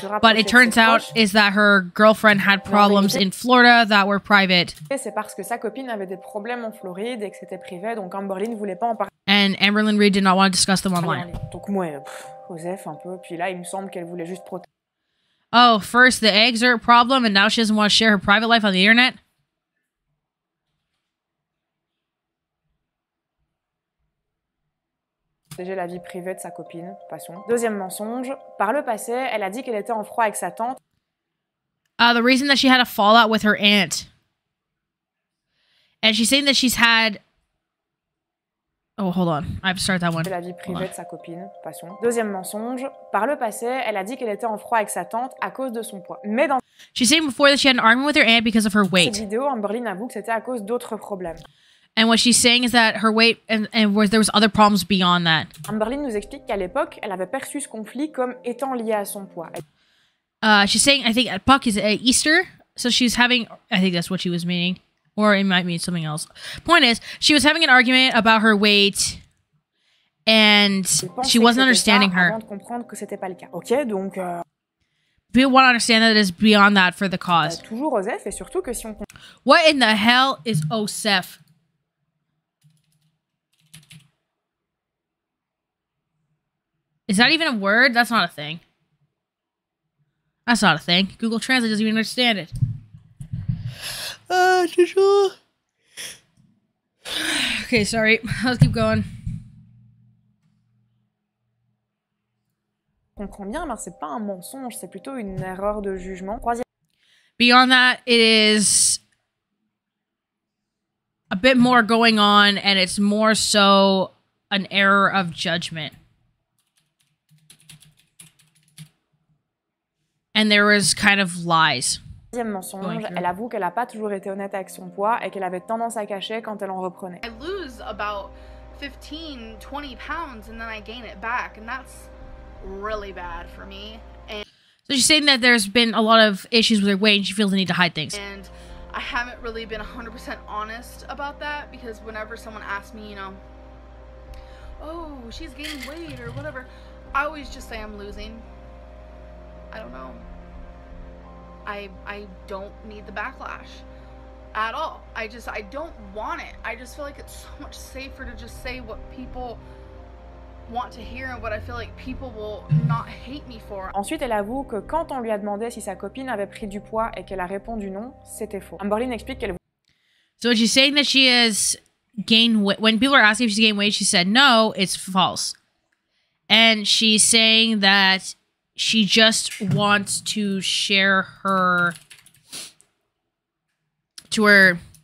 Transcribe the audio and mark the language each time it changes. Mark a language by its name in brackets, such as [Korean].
[English] But it turns out is that her girlfriend had problems in Florida that were private. [French] C'est parce que sa copine avait des problèmes en Floride et que c'était privé, donc Amberlynn ne voulait pas en parler. [English] And Amberlynn Reid did not want to discuss them online. [French] Donc moi, Joseph un peu. Puis là, il me semble qu'elle voulait juste protéger. [English] Oh, first the eggs are a problem, and now she doesn't want to share her private life on the internet? [French] Protéger la vie privée de sa copine, passons. Deuxième mensonge, par le passé, elle a dit qu'elle était en froid avec sa tante. [English] The reason that she had a fallout with her aunt. And she's saying that she's had... Oh, hold on. I have to start that one. [French] La vie privée de sa copine. Passons. Deuxième mensonge. Par le passé, elle a dit qu'elle était en froid avec sa tante à cause de son poids. Mais dans... [English] She said before that she had an argument with her aunt because of her weight. [French] Cette vidéo, Amberlynn avoue que c'était à cause d'autres problèmes. [English] And what she's saying is that her weight and there was other problems beyond that. [French] Amberlynn nous explique qu'à l'époque, elle avait perçu ce conflit comme étant lié à son poids. [English] She's saying, I think at Puck is Easter. So she's having... I think that's what she was meaning. Or it might mean something else. Point is, she was having an argument about her weight and she wasn't understanding her. [French] Avant de comprendre que c'était pas le cas. Okay, donc, [English] We want to understand that it is beyond that for the cause. [French] Toujours Osef, et surtout que si on... [English] What in the hell is Osef? Is that even a word? That's not a thing. That's not a thing. Google Translate doesn't even understand it. Okay, sorry. Let's keep going. [French] Comprends bien, mais c'est pas un mensonge, c'est plutôt une erreur de jugement. [English] Beyond that, it is a bit more going on, and it's more so an error of judgment. And there was kind of lies. Deuxième mensonge, elle avoue qu'elle n'a pas toujours été honnête avec son poids et qu'elle avait tendance à cacher quand elle en reprenait. I lose about 15-20 pounds and then I gain it back and that's really bad for me. And so she's saying that there's been a lot of issues with her weight and she feels the need to hide things. And I haven't really been 100% honest about that because whenever someone asks me, you know, oh, she's gaining weight or whatever, I always just say I'm losing. I don't know. I don't need the backlash. at all. I don't want it. I just feel like it's so much safer to just say what people want to hear and what I feel like people will not hate me for. [French] Ensuite, elle avoue que quand on lui a demandé si sa copine avait pris du poids et qu'elle a répondu non, c'était faux. Amberlynn explique qu'elle... [English] So she's saying that she has gained weight. When people are asking if she's gained weight, she said, no, it's false. And she's saying that she just wants to share her... To her...